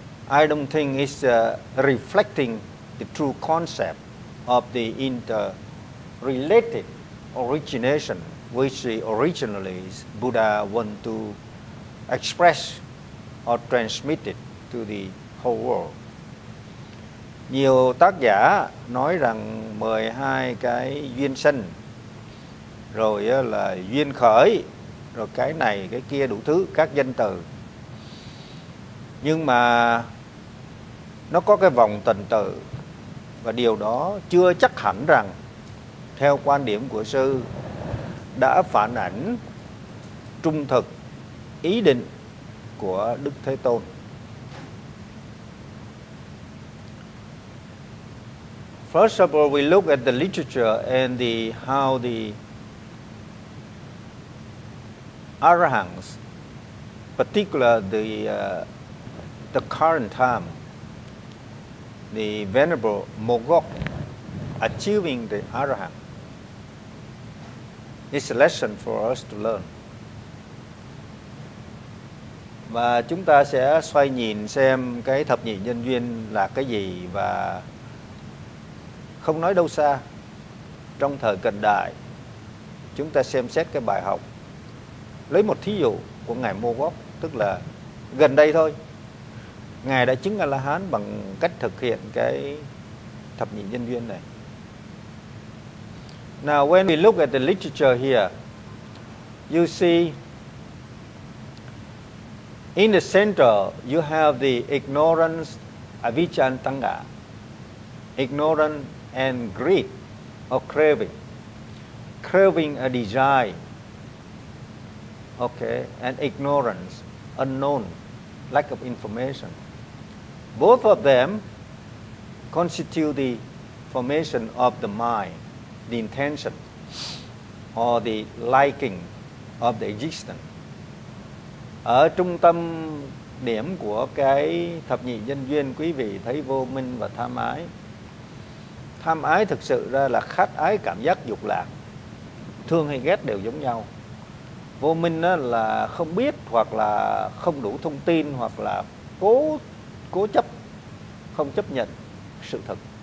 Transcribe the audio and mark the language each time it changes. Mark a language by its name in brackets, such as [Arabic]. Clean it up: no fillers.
[English] I don't think it's reflecting the true concept of the interrelated origination, which originally Buddha wanted to express or transmit it to the whole world. [Vietnamese] Nhiều tác giả nói rằng 12 cái duyên sinh, rồi là duyên khởi, rồi cái này, cái kia, đủ thứ, các danh từ. Nhưng mà nó có cái vòng tuần tự, và điều đó chưa chắc hẳn rằng, theo quan điểm của sư, đã phản ảnh trung thực ý định của Đức Thế Tôn. [English] First of all, we look at the literature and the how the arahants, particularly the current time, the Venerable Mogok achieving the arahant. It's a lesson for us to learn. [Vietnamese] Và chúng ta sẽ xoay nhìn xem cái thập nhị nhân duyên là cái gì và không nói đâu xa, trong thời cận đại, chúng ta xem xét cái bài học. Lấy một thí dụ của Ngài Mô Gốc, tức là gần đây thôi, Ngài đã chứng A-la-hán bằng cách thực hiện cái thập nhị nhân duyên này. [English] Now, when we look at the literature here, you see, in the center, you have the ignorance, avijja and tanha, ignorance and greed or craving, craving a desire, okay, and ignorance, unknown, lack of information. Both of them constitute the formation of the mind, the intention, or the liking of the existence. [Vietnamese] Ở trung tâm điểm của cái thập nhị nhân duyên, quý vị thấy vô minh và tham ái. Tham ái thực sự ra là khát ái cảm giác dục lạc, thương hay ghét đều giống nhau. Vô minh là không biết hoặc là không đủ thông tin hoặc là cố chấp, không chấp nhận sự thật.